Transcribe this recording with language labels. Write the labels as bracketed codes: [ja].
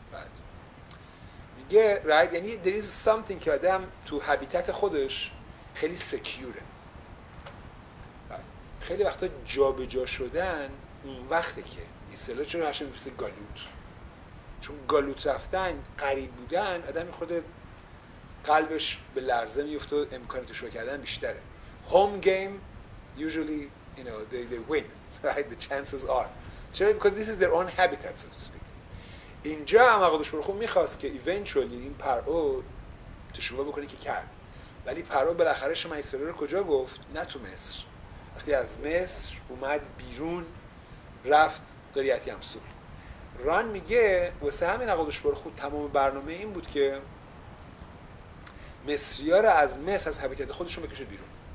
[fa] بعد میگه right. یعنی [en] there is something [fa] که آدم تو هبیتت خودش خیلی سکیوره. بعد خیلی وقتا جا به جا شدن اون وقته که ایسلا چون هشه میپرسه گالوت، چون گالوت رفتن قریب بودن آدم خود قلبش به لرزه میفته و امکان تشوه کردن بیشتره. [en] home game usually you know they win right the chances are [fa] چرا؟ [en] because this is their own habitat so to speak. [fa] اینجا هم اقدوش برخو میخواست که eventually این پرعو تشوه بکنه که کرد، ولی پرعو بالاخره شما اسرائیل رو کجا گفت؟ نه تو مصر. وقتی از مصر اومد بیرون رفت قریت یم سوف. ران میگه واسه همین اقدوش برخو تمام برنامه این بود که مصری ها رو از مصر از حبیتت خودشون بکشه بیرون.